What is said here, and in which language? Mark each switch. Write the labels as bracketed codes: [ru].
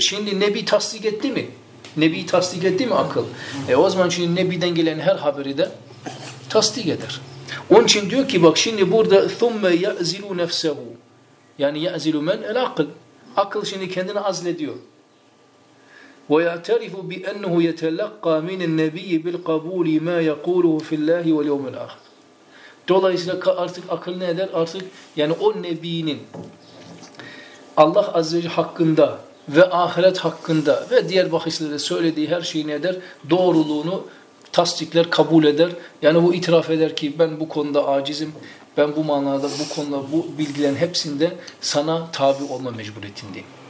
[tr] Şimdi Nebi tasdik etti mi? Nebi tasdik etti mi akıl? O zaman şimdi Nebi'den gelen her haberi de tasdik eder. Onun için diyor ki bak şimdi burada [ar] ثُمَّ يَأْزِلُ نَفْسَهُ [tr] yani [ar] يَأْزِلُ مَنْ الْاَقِلْ [tr] akıl şimdi kendini azlediyor. [ar] وَيَعْتَرِفُ بِأَنَّهُ يَتَلَقَّى مِنَ النَّبِيِّ بِالْقَبُولِ مَا يَقُولُهُ فِي اللّٰهِ وَالْيَوْمِ الْاَخِرِ [tr] dolayısıyla artık akıl ne eder? Artık yani o nebinin Allah Azze ve Celle hakkında ve ahiret hakkında ve diğer bahislerde söylediği her şeyi ne eder? Doğruluğunu tasdikler, kabul eder. Yani bu itiraf eder ki ben bu konuda acizim. Ben bu manada, bu konuda, bu bilgilerin hepsinde sana tabi olma mecburiyetindeyim.